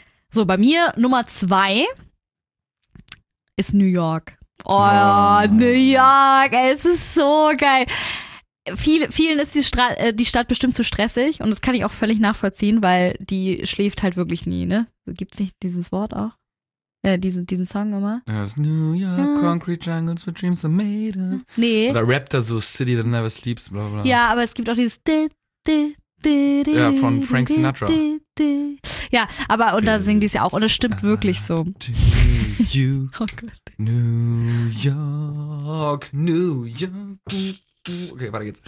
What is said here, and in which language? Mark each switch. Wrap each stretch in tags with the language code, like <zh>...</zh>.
<de>So, bei mir Nummer 2 ist New York. Oh, ja. New York, es ist so geil. Vielen ist die Stadt bestimmt zu stressig und das kann ich auch völlig nachvollziehen, weil die schläft halt wirklich nie, ne? Gibt's nicht dieses Wort auch? Diesen Song immer?</de> <en>There's New York, concrete jungles where dreams are made of.</en> <de>Nee. Oder rappt da so,</de> <en>City that never sleeps,</en> <de>bla bla. Ja, aber es gibt auch dieses... Ja, von Frank Sinatra. Ja, aber und da singen die es ja auch und das stimmt wirklich so. You. Oh Gott. New York. Okay, weiter geht's.</de>